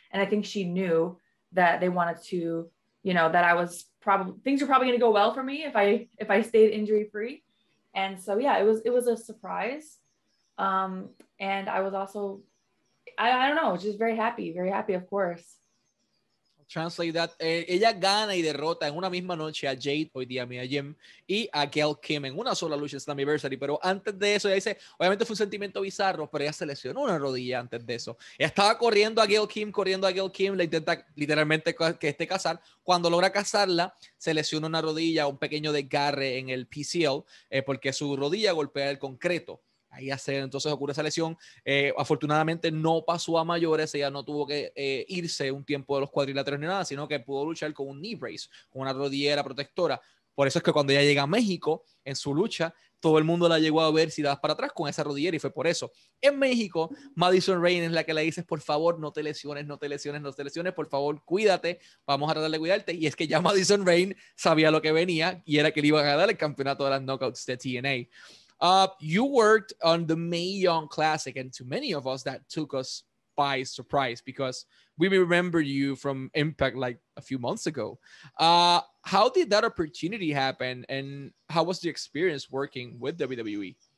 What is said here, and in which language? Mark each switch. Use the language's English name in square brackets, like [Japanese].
[English] And I think she knew that they wanted to, you know, that I was things are probably going to go well for me if I stayed injury free. And so, yeah, it was a surprise. And I was also, I don't know, just very happy, of course. Translate that. [Spanish] Ella gana y derrota en una misma noche a Jade, hoy día Mia Yim, y a Gail Kim en una sola lucha en Slammiversary. Pero antes de eso, ella dice, obviamente fue un sentimiento bizarro, pero ella se lesionó una rodilla antes de eso. Ella estaba corriendo a Gail Kim, le intenta literalmente que esté casar. Cuando logra casarla, se lesiona una rodilla, un pequeño desgarre en el PCL, porque su rodilla golpea el concreto. Ahí entonces ocurre esa lesión. Afortunadamente no pasó a mayores. Ella no tuvo que irse un tiempo de los cuadriláteros ni nada, sino que pudo luchar con un knee brace, con una rodillera protectora. Por eso es que cuando ella llega a México en su lucha, todo el mundo la llegó a ver si das para atrás con esa rodillera y fue por eso. En México, Madison Rain es la que le dice, por favor, no te lesiones, no te lesiones, no te lesiones, por favor, cuídate, vamos a tratar de cuidarte. Y es que ya Madison Rain sabía lo que venía y era que le iba a ganar el campeonato de las Knockouts de TNA. [English] You worked on the Mae Young Classic, and to many of us, that took us by surprise because we remember you from Impact like a few months ago. How did that opportunity happen, and how was the experience working with WWE?